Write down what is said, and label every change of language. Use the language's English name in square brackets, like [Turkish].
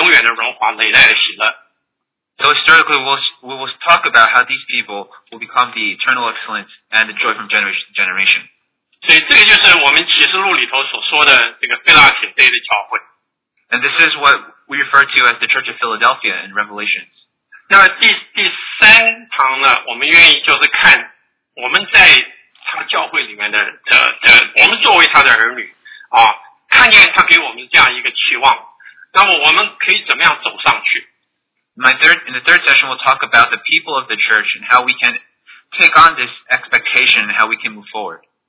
[Chinese] 所以这是第一节，那我们明天那节，如果时间对的话，我们明天那节，我们的交通历史上有这么样一群百姓，他们让耶和华感觉那是永远的荣华，累代的喜乐。 [English] So historically, we will talk about how these people will become the eternal excellence and the joy from generation to generation. [Chinese] 所以这个就是我们启示录里头所说的这个腓立比教会。 [English] And this is what we refer to as the Church of Philadelphia in Revelations. [Chinese] 那第三堂呢，我们愿意就是看我们在他教会里面的，我们作为他的儿女啊，看见他给我们这样一个期望，那么我们可以怎么样走上去？ [English] In the third session, we'll talk about the people of the church and how we can take on this expectation and how we can move forward.